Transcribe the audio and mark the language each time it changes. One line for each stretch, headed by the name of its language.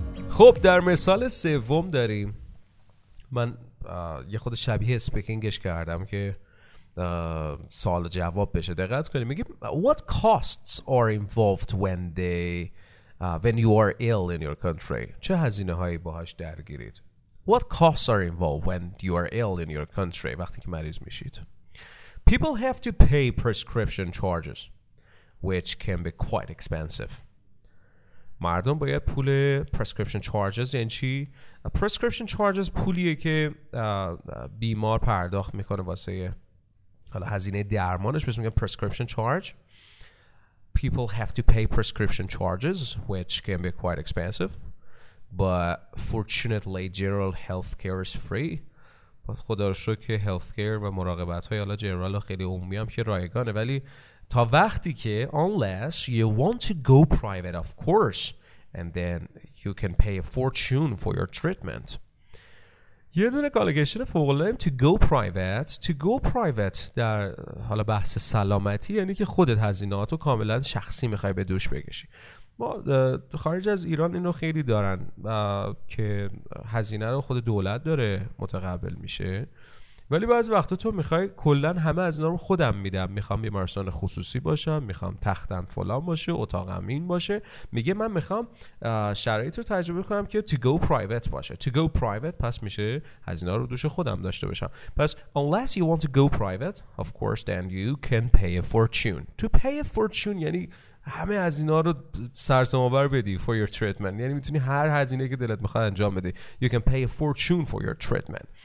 Persian: خب در مثال سوم داریم، من یه خود شبیه اسپیکینگش کردم که سوال جواب بشه، دقت کنیم. میگیم
English: what costs are involved when you are ill in your country.
Persian: چه هزینه هایی باهاش درگیرید؟
English: what costs are involved when you are ill in your country،
Persian: وقتی که مریض میشید.
English: people have to pay prescription charges which can be quite expensive.
Persian: مردم باید پول prescription charges، یعنی چی؟ prescription charges پولیه که بیمار پرداخت میکنه واسه حالا هزینه درمانش، بهش میگن prescription charge.
English: people have to pay prescription charges which can be quite expensive but fortunately general healthcare is free.
Persian: باید خدا رو شکر که healthcare و مراقبت های حالا جنرال خیلی عمومی هم که رایگانه، ولی تا وقتی که
English: unless you want to go private of course and then you can pay a fortune for your treatment.
Persian: یه دونه کالکشن فوق‌العاده‌ایم to go private در حالا بحث سلامتی، یعنی که خودت هزینه‌هاتو کاملا شخصی میخوای به دوش بکشی. ما خارج از ایران اینو خیلی دارن که هزینه رو خود دولت داره متقبل میشه. ولی بعضی وقتا تو میخوای کلن همه از اینا رو خودم میدم، میخوام بیمارستان خصوصی باشم، میخوام تختم فلان باشه، اتاقم این باشه، میگه من میخوام شرایط رو تجربه کنم که to go private باشه. to go private پس میشه از اینا رو دوش خودم داشته باشم.
English: پس unless you want to go private of course then you can pay a fortune.
Persian: to pay a fortune یعنی همه از اینا رو سرسام‌آور بدی
English: for your treatment،
Persian: یعنی میتونی هر هزینه که دلت میخواد انجام بدی.
English: you can pay a fortune for your treatment.